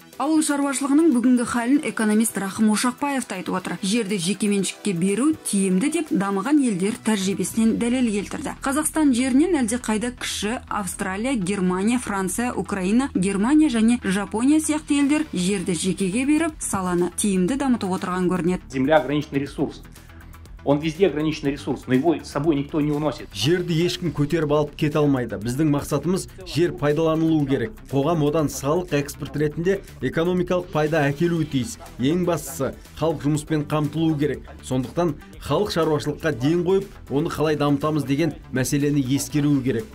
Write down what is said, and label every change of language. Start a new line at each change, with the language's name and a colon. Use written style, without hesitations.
Kazakh: Ауыл шаруашылығының бүгінгі халін экономист Рахым Ошақбаев айтып отыр. Жерді жекеменшікке беру тиімді деп дамыған елдер тәжірибесінен дәлел келтірді. Қазақстан жерінен әлде қайда кіші Австралия, Германия, Франция, Украина, Германия және Жапония сияқты елдер жерді жекеге беріп, саланы тиімді дамытып отырған көрінеді.
Russian: Земля ограниченный ресурс. Он везде ограниченный ресурс, но его с собой никто не уносит.
Kazakh: Жерді ешкім көтеріп алып кете алмайды. Біздің мақсатымыз жер пайдаланылуы керек. Қоғам одан салық экспорт ретінде экономикалық пайда әкелуі тиіс. Ең бастысы, халық жұмыспен қамтылуы керек. Сондықтан халық шаруашылыққа ден қойып, оны қалай дамытамыз деген мәселені ескеруі керек.